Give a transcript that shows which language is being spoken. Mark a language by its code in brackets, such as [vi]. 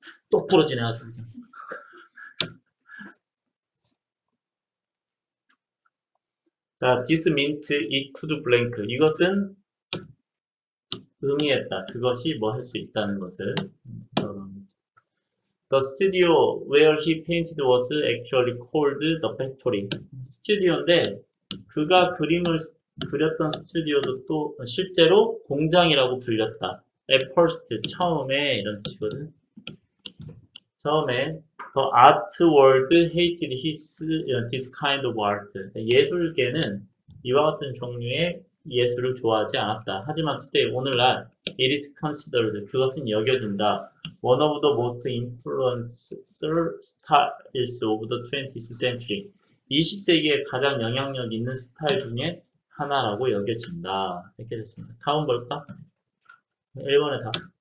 [ko] 똑 부러지네 아주 그냥. [en] 자, this means it could blank. [ko] 이것은 의미했다. 그것이 뭐할수 있다는 것을. [en] The studio where he painted was actually called the factory. [ko] 스튜디오인데 그가 그렸던 스튜디오도 또 실제로 공장이라고 불렸다. [en] At first, [ko] 처음에 이런 뜻이거든. 처음에 [en] the art world hated this kind of art. [ko] 예술계는 이와 같은 종류의 예술을 좋아하지 않았다. 하지만 today, 오늘날, [en] it is considered, [ko] 그것은 여겨진다. [en] One of the most influential styles of the 20th century. [ko] 20세기에 가장 영향력 있는 스타일 중에 하나라고 여겨진다. 이렇게 됐습니다. 다음 볼까? 1번에 답.